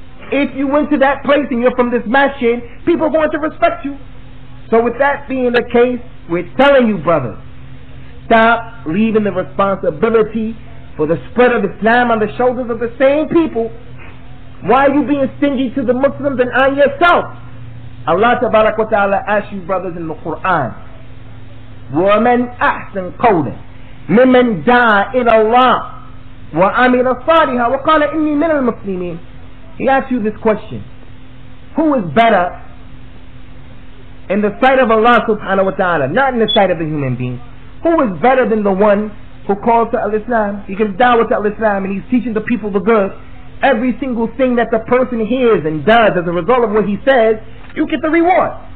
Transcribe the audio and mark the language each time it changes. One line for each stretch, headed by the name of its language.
English: If you went to that place and you're from this masjid, people are going to respect you. So with that being the case, we're telling you, brothers, stop leaving the responsibility for the spread of Islam on the shoulders of the same people. Why are you being stingy to the Muslims and on yourself? Allah tabarak wa ta'ala asks you, brothers, in the Quran,
Arabic: وَمَنْ أَحْسَنْ قَوْلًا مِمَنْ دَعَى إِلَى اللَّهِ وَعَمِلَ صَالِحًا وَقَالَ إِنِّي مِنَ الْمُسْلِمِينَ.
English: He asks you this question: who is better in the sight of Allah subhanahu wa ta'ala, not in the sight of the human being, who is better than the one who calls to al-Islam, he gives da'wah to al-Islam, and he's teaching the people the good? Every single thing that the person hears and does as a result of what he says, you get the reward.